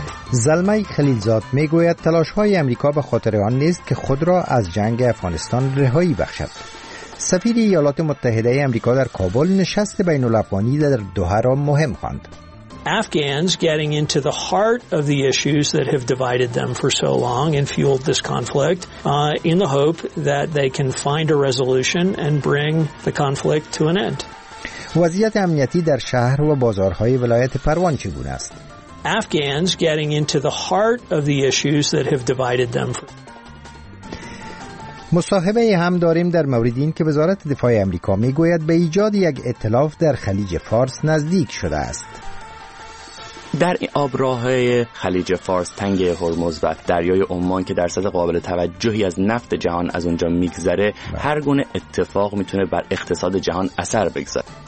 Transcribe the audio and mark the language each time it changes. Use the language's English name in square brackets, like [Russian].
[Persian] زلمه خلیلزاد می گوید تلاش های امریکا به خاطر آن نیست که خود را از جنگ افغانستان رهایی بخشد. سفیر ایالات متحده امریکا در کابل نشست بین الافغانی در دوحه را مهم خواند. [English] Afghans getting into the heart of the issues that have divided them for so long and fueled this conflict in the hope that they can find a resolution and bring the conflict to an end. [Persian] وضعیت امنیتی در شهر و بازارهای ولایت پروان چگونه است؟ [English] Afghans getting into the heart of the issues that have divided them for... [Persian] مصاحبه هم داریم در مورد این که وزارت دفاع آمریکا میگوید به ایجاد یک ائتلاف در خلیج فارس نزدیک شده است. در آبراهای خلیج فارس، تنگه هرمز و دریای عمان که درصد قابل توجهی از نفت جهان از اونجا میگذره، هر گونه اتفاق میتونه بر اقتصاد جهان اثر بگذاره.